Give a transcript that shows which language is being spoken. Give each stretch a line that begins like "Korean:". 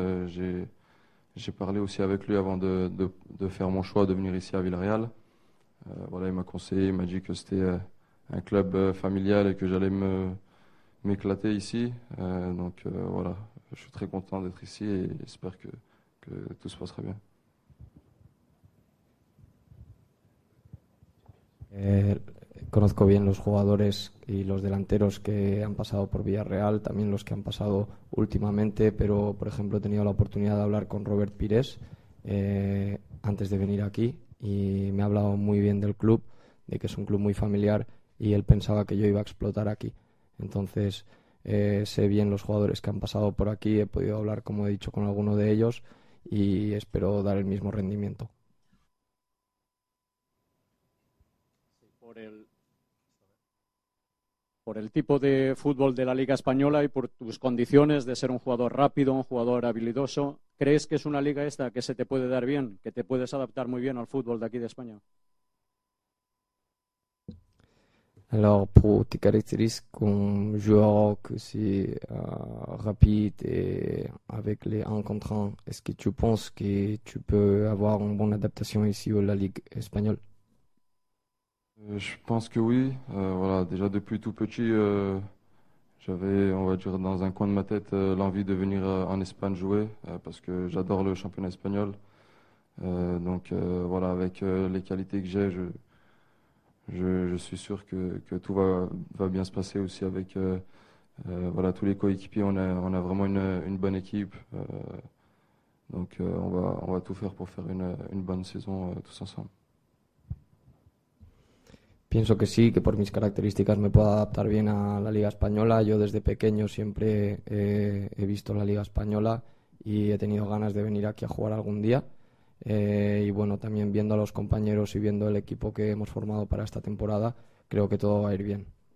French: J'ai parlé aussi avec lui avant de faire mon choix de venir ici à Villarreal. Voilà, il m'a conseillé, il m'a dit que c'était un club familial et que j'allais m'éclater ici. Voilà, je suis très content d'être ici et j'espère que tout se passera bien.
Spanish: Conozco bien los jugadores y los delanteros que han pasado por Villarreal, también los que han pasado últimamente, pero por ejemplo he tenido la oportunidad de hablar con Robert Pires antes de venir aquí y me ha hablado muy bien del club, de que es un club muy familiar y él pensaba que yo iba a explotar aquí. Entonces, sé bien los jugadores que han pasado por aquí, he podido hablar, como he dicho, con alguno de ellos y espero dar el mismo rendimiento. Por el tipo de fútbol de la Liga Española y por tus condiciones de ser un jugador rápido, un jugador habilidoso, ¿crees que es una liga esta que se te puede dar bien, que te puedes adaptar muy bien al fútbol de aquí de España?
French: Alors, pour tes caractéristiques comme joueur aussi rapide et avec les 1 contre 1, est-ce que tu penses que tu peux avoir une bonne adaptation ici à la Ligue Espagnole? Je pense que oui. Déjà depuis tout petit, j'avais, on va dire, dans un coin de ma tête l'envie de venir en Espagne jouer parce que j'adore le championnat espagnol. Donc, avec les qualités que j'ai, je suis sûr que tout va bien se passer aussi avec tous les coéquipiers. On a vraiment une bonne équipe. Donc, on va tout faire pour faire une bonne saison tous ensemble.
Spanish: Pienso que sí, que por mis características me puedo adaptar bien a la Liga Española. Yo desde pequeño siempre he visto la Liga Española y he tenido ganas de venir aquí a jugar algún día. Y también viendo a los compañeros y viendo el equipo que hemos formado para esta temporada, creo que todo va a ir bien.